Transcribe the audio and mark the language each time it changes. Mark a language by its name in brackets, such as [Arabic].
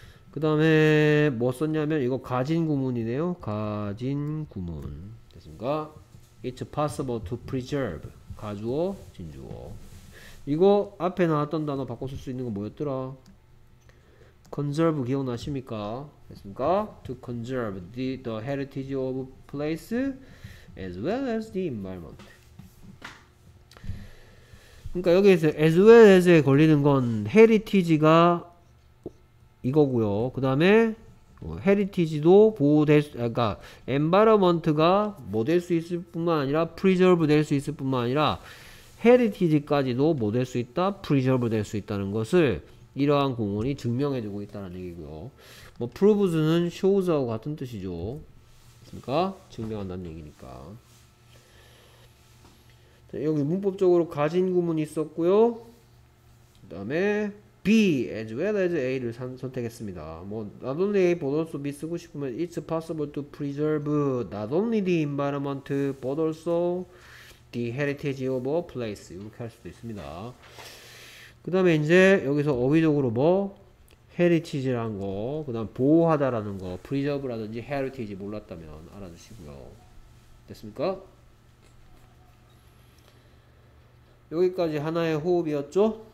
[Korean] 그 다음에 뭐 썼냐면 이거 가진 구문이네요. 가진 구문. 됐습니까? [English] It's possible to preserve. [Korean] 가주어, 진주어. 이거 앞에 나왔던 단어 바꿔 쓸수 있는 거 뭐였더라? Conserve 기억나십니까? 됐습니까? [English] To conserve the heritage of place as well as the environment. [Korean] 그러니까 여기에서 as well as에 걸리는 건 heritage가 이거고요. 그 다음에 heritage도 보호될 수, 그러니까 environment가 뭐될수 있을 뿐만 아니라 preserve 될수 있을 뿐만 아니라 heritage까지도 뭐될수 있다, preserve 될수 있다는 것을 이러한 공원이 증명해주고 있다는 얘기고요. 뭐 proves는 shows하고 같은 뜻이죠. 그러니까 증명한다는 얘기니까. 자, 여기 문법적으로 가진 구문이 있었고요. 그다음에 B as well as A를 선택했습니다. [English] 뭐 not only A, but also B [Korean] 쓰고 싶으면 [English] it's possible to preserve not only the environment, but also the heritage of a place. [Korean] 이렇게 할 수도 있습니다. 그 다음에 이제 여기서 어휘적으로 뭐 heritage라는 거, 그 다음 보호하다라는 거, preserve라든지 heritage 몰랐다면 알아주시고요. 됐습니까? 여기까지 하나의 호흡이었죠?